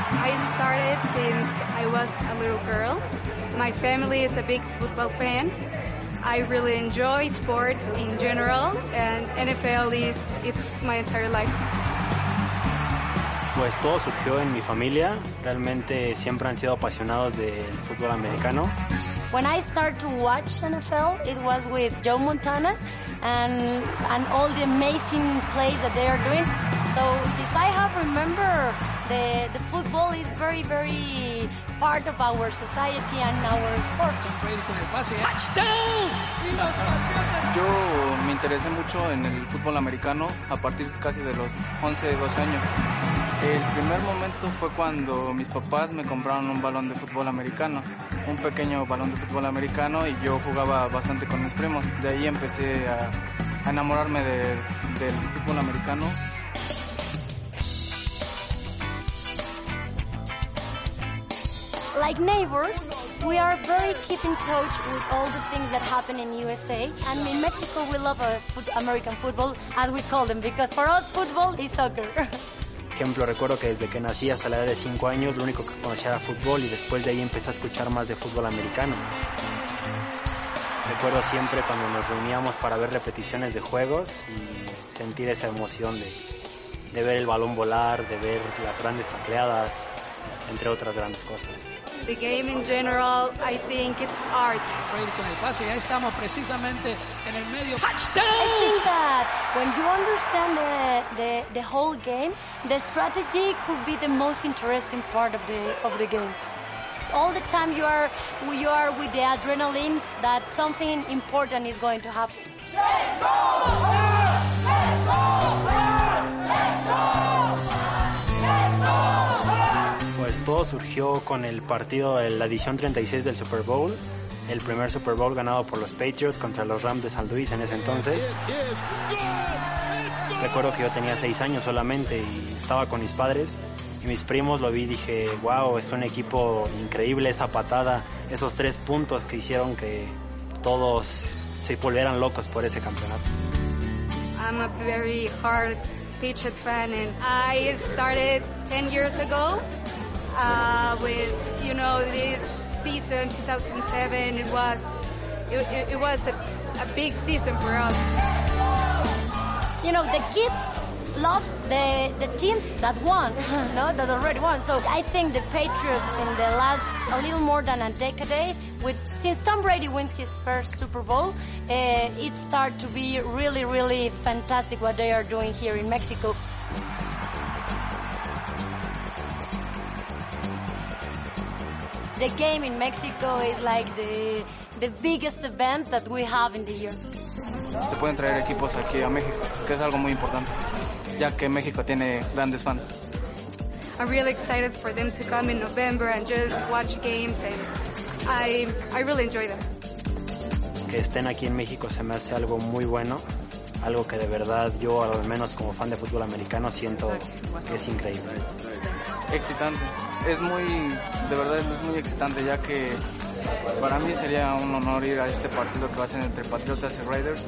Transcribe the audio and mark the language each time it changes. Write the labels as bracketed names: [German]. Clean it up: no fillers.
[English] I started since I was a little girl. My family is a big football fan. I really enjoy sports in general, and NFL is, it's my entire life. [Spanish] Pues todo surgió en mi familia. Realmente siempre han sido apasionados del fútbol americano. [English] When I started to watch NFL, it was with Joe Montana and all the amazing plays that they are doing. So if I have remember, the football is very, very part of our society and our sport. Touchdown! [Spanish] Yo me interesé mucho en el fútbol americano a partir casi de los 11, 12 años. El primer momento fue cuando mis papás me compraron un balón de fútbol americano, un pequeño balón de fútbol americano, y yo jugaba bastante con mis primos. De ahí empecé a, a enamorarme del fútbol americano. [English] Like neighbors, we are very keep in touch with all the things that happen in USA. And in Mexico, we love American football, as we call them, because for us, football is soccer. [Spanish] Ejemplo, recuerdo que desde que nací hasta la edad de 5 años, lo único que conocía era fútbol y después de ahí empecé a escuchar más de fútbol americano. Recuerdo siempre cuando nos reuníamos para ver repeticiones de juegos y sentir esa emoción de ver el balón volar, de ver las grandes tacleadas, entre otras grandes cosas. [English] The game in general, I think it's art. [Spanish] Estamos precisamente en el medio. [English] Touchdown! I think that when you understand the whole game, the strategy could be the most interesting part of the game. All the time you are with the adrenaline that something important is going to happen. [Spanish] Pues todo surgió con el partido de la edición 36 del Super Bowl, el primer Super Bowl ganado por los Patriots contra los Rams de San Luis en ese entonces. Recuerdo que yo tenía 6 años solamente y estaba con mis padres y mis primos, lo vi y dije, wow, es un equipo increíble, esa patada, esos 3 puntos que hicieron que todos se volvieran locos por ese campeonato. [English] I'm a very hard Patriot fan and I started 10 years ago. With, you know, this season, 2007, it was a big season for us. You know, the kids loves the teams that won, no, that already won. So I think the Patriots in the last, a little more than a decade, since Tom Brady wins his first Super Bowl, it start to be really, really fantastic what they are doing here in Mexico. The game in Mexico is like the biggest event that we have in the year. [Spanish] Se pueden traer equipos aquí a México, que es algo muy importante, ya que México tiene grandes fans. [English] I'm really excited for them to come in November and just watch games, and I really enjoy them. [Spanish] Que estén aquí en México se me hace algo muy bueno, algo que de verdad yo, al menos como fan de fútbol americano, siento que es increíble. Excitante. Es muy, de verdad, es muy excitante, ya que para mí sería un honor ir a este partido que va a ser entre Patriotas y Raiders.